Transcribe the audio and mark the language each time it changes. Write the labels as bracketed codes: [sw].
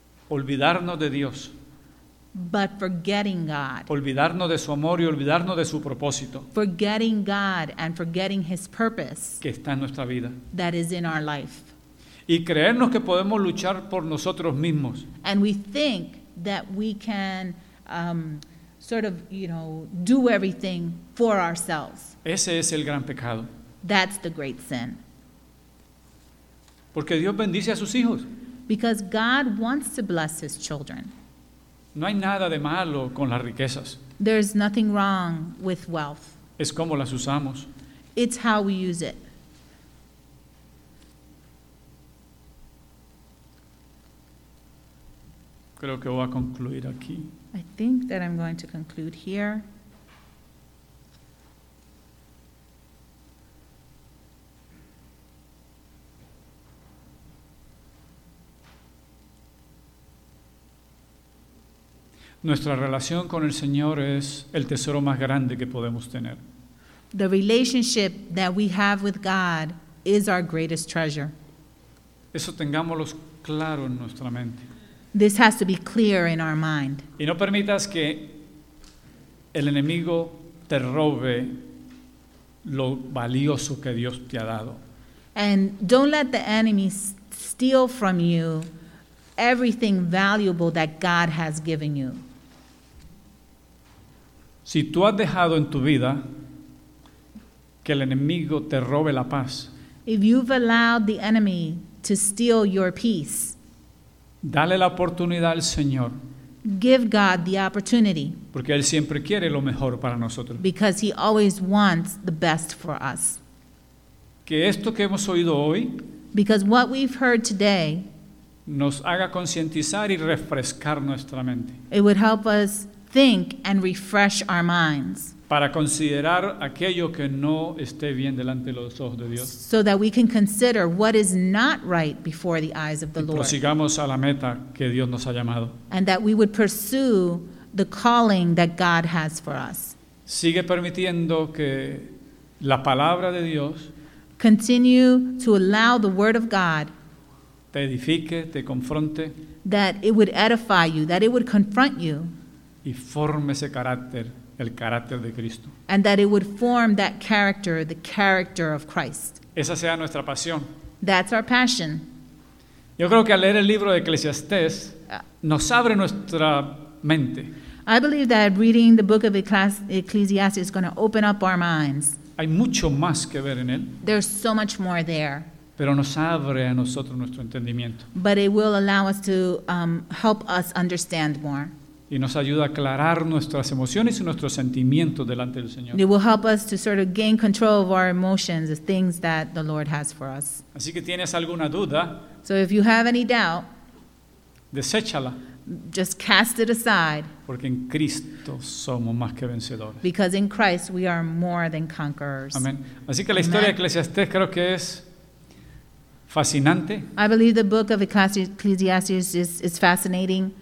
[es] Olvidarnos de Dios. [en] But forgetting God. [es] Olvidarnos de su amor y olvidarnos de su propósito. [en] Forgetting God and forgetting his purpose. [es] Que está en nuestra vida. [en] That is in our life. [es] Y creernos que podemos luchar por nosotros mismos. [en] And we think that we can sort of, you know, do everything for ourselves. [es] Ese es el gran pecado. [en] That's the great sin. [es] Porque Dios bendice a sus hijos. [en] Because God wants to bless his children. [es] No hay nada de malo con las riquezas. [en] There's nothing wrong with wealth. [es] Es como las usamos. [en] It's how we use it. [es] Creo que voy a concluir aquí. [en] I think that I'm going to conclude here. [es] Nuestra relación con el Señor es el tesoro más grande que podemos tener. [en] The relationship that we have with God is our greatest treasure. [es] Eso tengámoslo claro en nuestra mente. [en] This has to be clear in our mind. [es] Y no permitas que el enemigo te robe lo valioso que Dios te ha dado. [en] And don't let the enemy steal from you everything valuable that God has given you. [es] Si tú has dejado en tu vida que el enemigo te robe la paz, [en] if you've allowed the enemy to steal your peace, [es] dale la oportunidad al Señor. [en] Give God the opportunity. [es] Porque Él siempre quiere lo mejor para nosotros. [en] Because He always wants the best for us. [es] Que esto que hemos oído hoy, [en] because what we've heard today, [es] nos haga concientizar y refrescar nuestra mente. [en] It would help us think and refresh our minds. [es] Para considerar aquello que no esté bien delante de los ojos de Dios. [en] So that we can consider what is not right before the eyes of the Lord. [es] Y prosigamos a la meta que Dios nos ha llamado. [en] And that we would pursue the calling that God has for us. [es] Sigue permitiendo que la palabra de Dios. [en] Continue to allow the word of God. [es] Te edifique, te confronte. [en] That it would edify you, that it would confront you. [es] Y forme ese carácter, el carácter de Cristo. [en] And that it would form that character, the character of Christ. [es] Esa sea nuestra pasión. [en] That's our passion. [es] Yo creo que al leer el libro de Eclesiastés nos abre nuestra mente. [en] I believe that reading the book of Ecclesiastes is going to open up our minds. [es] Hay mucho más que ver en él. [en] There's so much more there. [es] Pero nos abre a nosotros nuestro entendimiento. [en] But it will allow us to help us understand more. [es] Y nos ayuda a aclarar nuestras emociones y nuestros sentimientos delante del Señor. [en] It will help us to sort of gain control of our emotions, the things that the Lord has for us. [es] Así que tienes alguna duda. [en] So if you have any doubt. [es] Deséchala. [en] Just cast it aside. [es] Porque en Cristo somos más que vencedores. [en] Because in Christ we are more than conquerors. [es] Amén. Así que la historia de Eclesiastés creo que es fascinante. [en] I believe the book of Ecclesiastes is fascinating.